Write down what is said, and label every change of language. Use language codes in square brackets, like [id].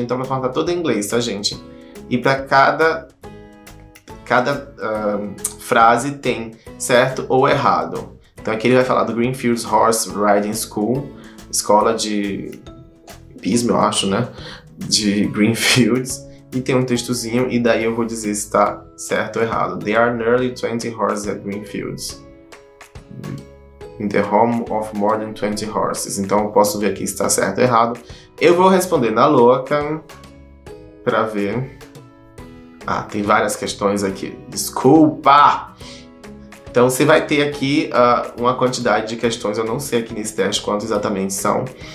[pt] Então vai falar todo em inglês, tá, gente? E para cada frase tem certo ou errado. Então aqui ele vai falar do Greenfields Horse Riding School, escola de Pismo, eu acho, né? De Greenfields. E tem um textozinho, e daí eu vou dizer se tá certo ou errado. [en] There are nearly 20 horses at Greenfields, in the home of more than 20 horses. [pt] Então eu posso ver aqui se tá certo ou errado. Eu vou responder na louca pra ver. Ah, tem várias questões aqui. Desculpa! Então você vai ter aqui uma quantidade de questões. Eu não sei aqui nesse teste quanto exatamente são.